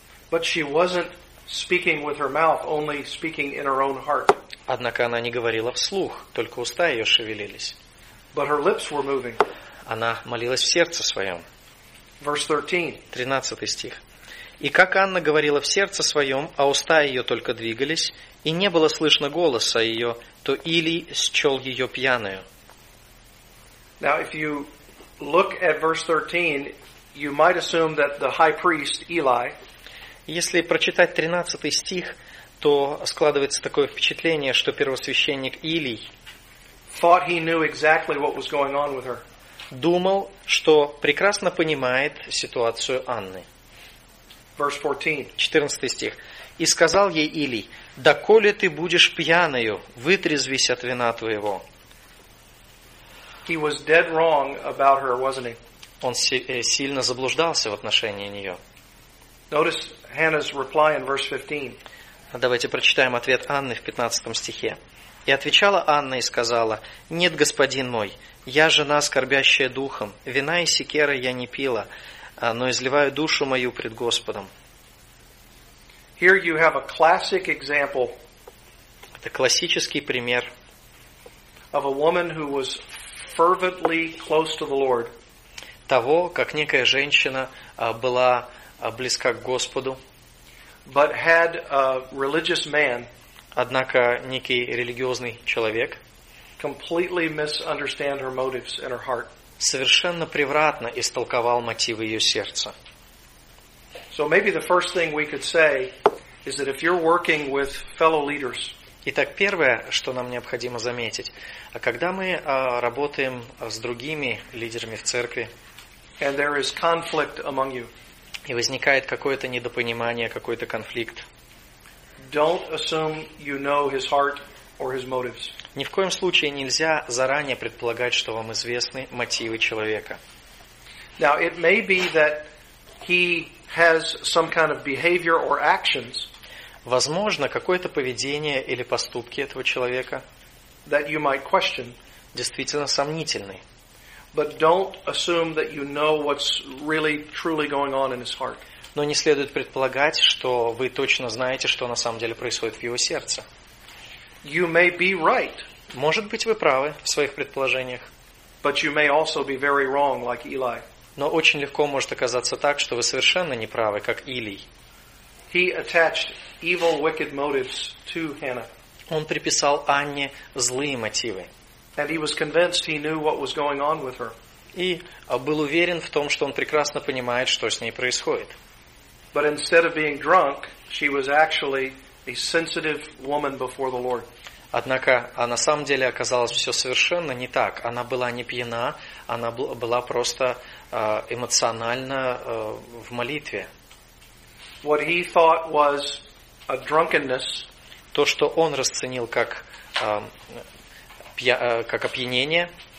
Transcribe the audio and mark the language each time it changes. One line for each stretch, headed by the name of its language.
English: But she wasn't speaking with her mouth, only speaking in her own heart.
Russian: Однако она не говорила вслух, только уста ее шевелились.
English: But her lips were moving.
Russian: Она молилась в сердце своем.
English: Verse 13.
Russian: 13 стих. И как Анна говорила в сердце своем, а уста ее только двигались, и не было слышно голоса ее, то Илий счел ее пьяную.
English: Now, if you look at verse 13, you might assume that the high priest Eli.
Russian: Если прочитать 13 стих, то складывается такое впечатление, что первосвященник Илий
English: thought he knew exactly what was going on with her.
Russian: Думал, что прекрасно понимает ситуацию Анны.
English: Verse 14.
Russian: 14 стих. «И сказал ей Илий, доколе ты будешь пьяною, вытрезвись от вина твоего».
English: He was dead wrong about her, wasn't he?
Russian: Он сильно заблуждался в отношении нее.
English: Notice Hannah's reply in verse 15.
Russian: Давайте прочитаем ответ Анны в 15 стихе. «И отвечала Анна и сказала, нет, господин мой, я жена, скорбящая духом, вина и секера я не пила, но изливаю душу мою пред Господом».
English: Here you have a classic example.
Russian: Это классический пример.
English: Of a woman who was fervently close to the Lord.
Russian: Того, как некая женщина была близка к Господу.
English: But had a religious man.
Russian: Однако некий религиозный человек.
English: Completely misunderstand her motives and her heart.
Russian: Совершенно превратно истолковал мотивы ее сердца.
English: So maybe the first thing we could say is that if you're working with fellow leaders.
Russian: Итак, первое, что нам необходимо заметить, когда мы работаем с другими лидерами в церкви,
English: and there is conflict among you.
Russian: И возникает какое-то недопонимание, какой-то конфликт.
English: Don't assume you know his heart or his motives.
Russian: Ни в коем случае нельзя заранее предполагать, что вам известны мотивы человека.
English: Now, it may be that he has some kind of behavior or actions.
Russian: Возможно, какое-то поведение или поступки этого человека
English: that you might question,
Russian: действительно сомнительны.
English: But don't assume that you know what's really truly going on in his heart.
Russian: Но не следует предполагать, что вы точно знаете, что на самом деле происходит в его сердце.
English: You may be right.
Russian: Может быть, вы правы в своих предположениях.
English: But you may also be very wrong, like Eli.
Russian: Но очень легко может оказаться так, что вы совершенно не правы, как Илий.
English: He attached evil, wicked motives to Hannah.
Russian: Он приписал Анне злые мотивы.
English: And he was convinced he knew what was going on with her.
Russian: И был уверен в том, что он прекрасно понимает, что с ней происходит.
English: But instead of being drunk, she was actually a sensitive woman before the Lord.
Russian: Однако, а на самом деле оказалось все совершенно не так. Она была не пьяна, она была просто эмоционально в молитве.
English: What he thought was a drunkenness.
Russian: То, что он расценил как опьянение,